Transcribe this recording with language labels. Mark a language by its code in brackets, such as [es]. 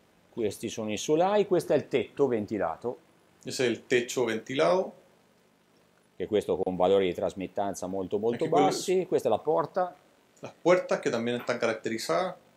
[it] Questi sono i solai, questo è il tetto ventilato, [es] Ese es el techo ventilado. [it] che è questo con valori di trasmittanza molto molto Anche quello. bassi, questa è la porta. [es] Las puertas que también están caracterizadas.